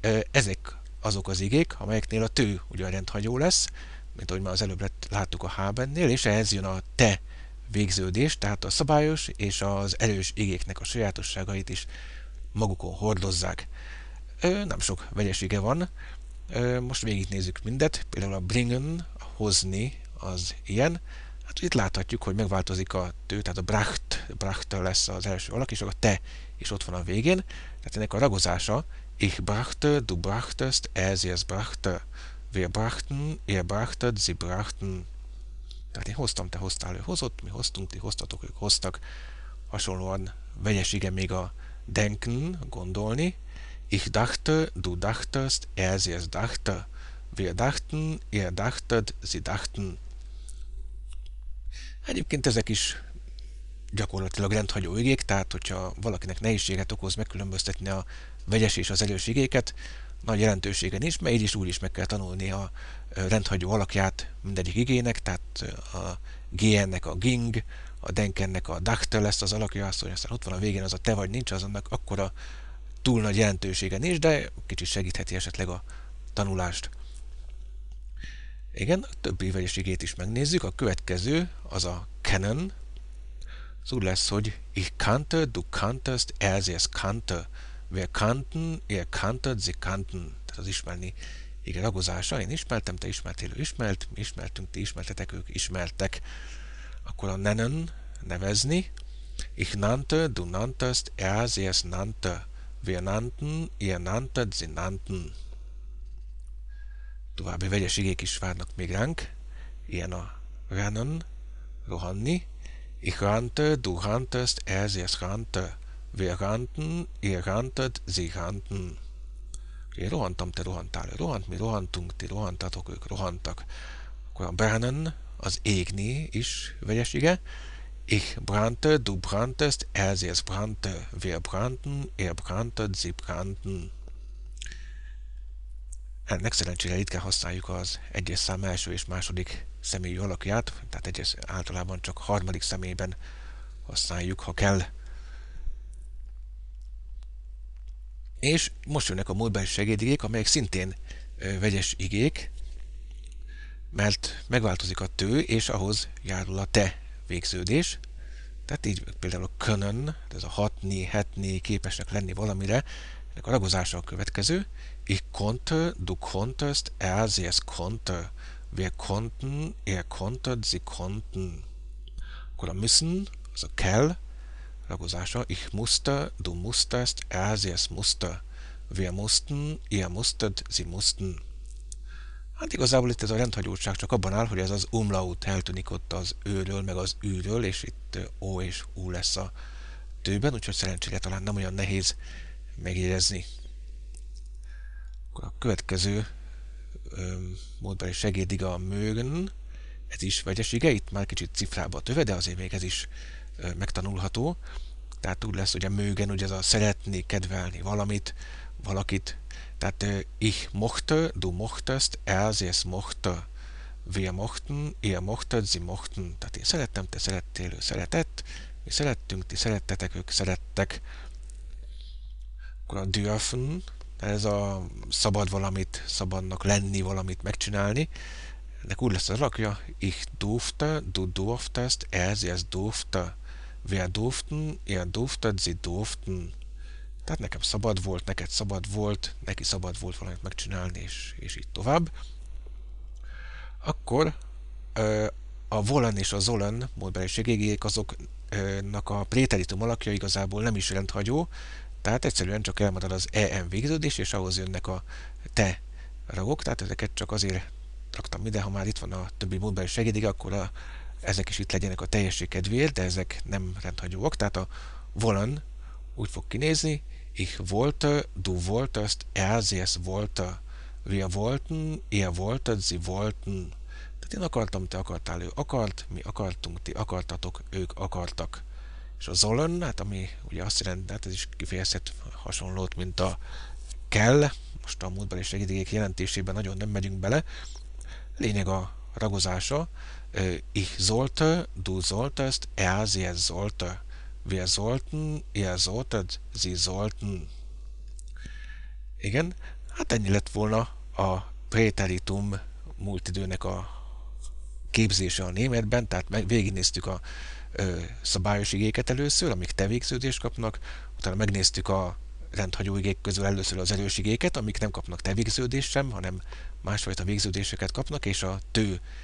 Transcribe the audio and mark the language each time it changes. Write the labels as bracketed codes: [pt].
[hu] Ezek azok az igék, amelyeknél a tő ugyan rendhagyó lesz, mint ahogy már az előbb láttuk a H-bennél, és ehhez jön a te végződés, tehát a szabályos és az erős igéknek a sajátosságait is magukon hordozzák. Nem sok vegyes ige van. Most végignézzük mindet. Például a bringen, a hozni, az ilyen. Hát itt láthatjuk, hogy megváltozik a tő, tehát a bracht lesz az első alak, és a te is ott van a végén. Tehát ennek a ragozása, [de] ich brachte, du brachtest, er, sie, es brachte, wir brachten, ihr brachtet, sie brachten. [hu] Tehát én hoztam, te hoztál, ő hozott, mi hoztunk, ti hoztatok, ők hoztak. Hasonlóan vegyes ige még a denken, gondolni. [de] Ich dachte, du dachtest, er, sie, es dachte. Wir dachten, ihr dachtet, sie dachten. [hu] Egyébként ezek is gyakorlatilag rendhagyó igék, tehát hogyha valakinek nehézséget okoz megkülönböztetni a vegyes és az erős igéket, nagy jelentősége nincs, mert így is úgy is meg kell tanulni a rendhagyó alakját mindegyik igének, tehát a GN-nek a ging, a denkennek a dachte lesz az alakja, azt, hogy aztán ott van a végén az a te vagy nincs, az annak akkora túl nagy jelentősége nincs, de kicsit segítheti esetleg a tanulást. Igen, a többi vegyes igét is megnézzük. A következő az a kennen. Az úgy lesz, hogy [de] ich kannte, du kanntest, er, sie, es kannte. Wir kannten, ihr kanntet, sie kannten. [hu] Tehát az ismerni ige ragozása. Én ismertem, te ismertél, ő ismert, mi ismertünk, ti ismertetek, ők ismertek. akkor a nennen nevezni. [de] Ich nannte, du nanntest, sie es nannte. Wir nannten, ihr nanntet, sie nannten. [hu] További vegyeségek is várnak még ránk. Ilyen a rennen, rohanni. [de] Ich rannte, du hantest, sie es rannte. Wir rannten, ihr rantet, sie rannten. [hu] Én rohantam, te rohantál. Rohant, mi rohantunk, ti rohantatok, ők rohantak. Akkor a brennen, az égni is vegyesége. [de] Ich brannte, du branntest, sie es brannte. Wir brannten, ihr branntet, sie brannten. [hu] Ennek szerencsére ritkán használjuk az egyes szám első és második személyi alakját, tehát egyes általában csak harmadik személyben használjuk, ha kell. És most jönnek a múltbeli segédigék, amelyek szintén vegyes igék, mert megváltozik a tő, és ahhoz járul a te végződés. Tehát így például a können, ez a hatni, hetni, képesnek lenni valamire, ennek a ragozása a következő. [de] Ich konnte, du konntest, sie es konnte. Wir konnten, ihr konntet, sie konnten. [hu] Akkor a müssen, az a kell, ragozása. [de] Ich musste, du musstest, sie es musste. Wir mussten, ihr musstet, sie mussten. [hu] Hát igazából itt ez a rendhagyóság csak abban áll, hogy ez az umlaut eltűnik ott az őről, meg az űről, és itt O és U lesz a tőben, úgyhogy szerencsére talán nem olyan nehéz megjegyezni. Akkor a következő módbeli segédige a mögen, ez is vegyesége, itt már kicsit cifrába töve, de azért még ez is megtanulható. Tehát úgy lesz, hogy a mögen, ugye ez a szeretni, kedvelni valamit, valakit. [de] Tehát ich mochte, du mochtest, sie es mochte. Wir mochten, ihr mochtet, sie mochten. [hu] Tehát én szerettem, te szerettél, ő szeretett. Mi szerettünk, ti szerettetek, ők szerettek. Akkor a dürfen, ez a szabad valamit, szabadnak lenni valamit, megcsinálni. Ennek úgy lesz az alakja. [de] Ich durfte, du durftest, sie es durfte. Wir durften, ihr durftet, sie durften. [hu] Tehát nekem szabad volt, neked szabad volt, neki szabad volt valamit megcsinálni, és így tovább. Akkor a wollen és a sollen módbeli segédigék, azoknak a préteritum alakja igazából nem is rendhagyó, tehát egyszerűen csak elmarad az en végződés, és ahhoz jönnek a te ragok, tehát ezeket csak azért raktam ide, ha már itt van a többi módbeli segédigék, akkor ezek is itt legyenek a teljesség kedvéért, de ezek nem rendhagyóak, tehát a wollen úgy fog kinézni. [de] Ich wollte, du wolltest, sie es wollte. Wir wollten, ihr wolltet, sie wollten. [hu] Tehát én akartam, te akartál, ő akart, mi akartunk, ti akartatok, ők akartak. És a sollen, hát ami ugye azt jelenti, hát ez is kifejezhet hasonlót, mint a kell. Most a múltbeli segédigék jelentésében nagyon nem megyünk bele. Lényeg a ragozása. [de] Ich sollte, du solltest, sie es sollte. Wir sollten, ihr solltet, sie sollten. [hu] Igen, hát ennyi lett volna a préteritum múltidőnek a képzése a németben, tehát végignéztük a szabályos igéket először, amik te végződést kapnak, utána megnéztük a rendhagyó igék közül először az erős igéket, amik nem kapnak te végződést sem, hanem másfajta végződéseket kapnak, és a tő